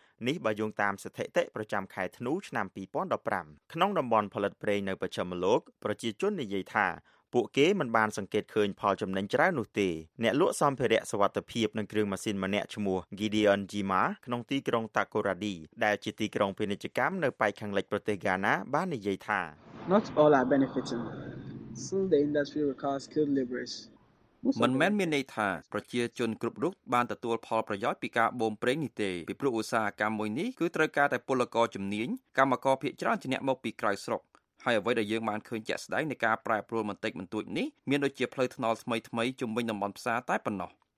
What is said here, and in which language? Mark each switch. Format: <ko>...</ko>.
<km>នេះបើយោងតាមស្ថិតិប្រចាំខែធ្នូឆ្នាំ2015ក្នុងតំបន់ផលិតប្រេងនៅប្រចាំលោកប្រជាជននិយាយថាពួកគេមិនបានសង្កេតឃើញផលចំណេញច្រើននោះទេអ្នកលក់សម្ភារៈសុវត្ថិភាពនិងគ្រឿងម៉ាស៊ីនម្នាក់ឈ្មោះ Gideon Jima ក្នុងទីក្រុង Takoradi ដែលជាទីក្រុងពាណិជ្ជកម្មនៅប៉ែកខាងលិចប្រទេសហ្គាណាបាននិយាយថា</km> <en>Not all are benefiting since the industry requires skilled laborers</en> <km>មិនមែនមានន័យថាប្រជាជនគ្រប់រូបបានទទួលផលប្រយោជន៍ពីការបូមប្រេងនេះទេពីព្រោះឧស្សាហកម្មមួយនេះគឺត្រូវការតែពលករជំនាញកម្មករភាគច្រើនជាអ្នកមកពីក្រៅស្រុកហើយអ្វីដែលយើងបានឃើញជាក់ស្ដែងនៃការប្រែប្រួលបន្តិចបន្តួចនេះមានដូចជាផ្លូវថ្នល់ថ្មីថ្មីជំនាញតំបន់ផ្សារតែប៉ុណ្ណោះ</km>